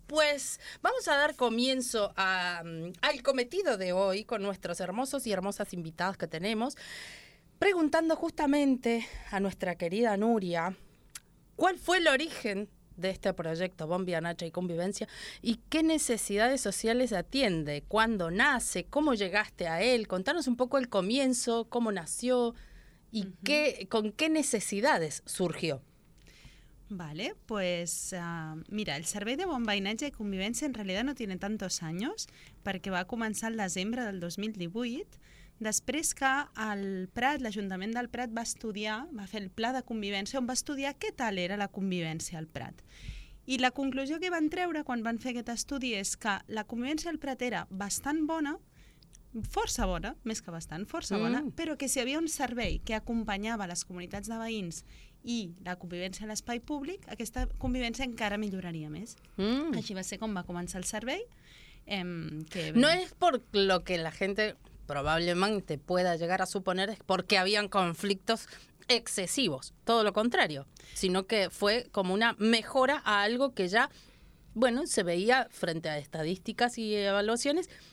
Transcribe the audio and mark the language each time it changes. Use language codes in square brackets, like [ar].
[es] Pues vamos a dar comienzo al cometido de hoy con nuestros hermosos y hermosas invitados que tenemos, preguntando justamente a nuestra querida Nuria cuál fue el origen de este proyecto Mont Vianacha y Convivencia, y qué necesidades sociales atiende, cuándo nace, cómo llegaste a él. Contanos un poco el comienzo, cómo nació y con qué necesidades surgió. Vale, pues mira, el Servei de Mont Vianacha y Convivencia en realidad no tiene tantos años, porque va a comenzar [ca] la desembre del 2018, després que el Prat, l'Ajuntament del Prat, va estudiar, va fer el pla de convivència, on va estudiar què tal era la convivència al Prat. I la conclusió que van treure quan van fer aquest estudi és que la convivència al Prat era bastant bona, força bona, més que bastant, força bona, però que si hi havia un servei que acompanyava les comunitats de veïns i la convivència en l'espai públic, aquesta convivència encara milloraria més. Així va ser com va començar el servei. No és per lo que [es] la gent probablemente pueda llegar a suponer porque habían conflictos excesivos, todo lo contrario, sino que fue como una mejora a algo que ya, bueno, se veía frente a estadísticas y evaluaciones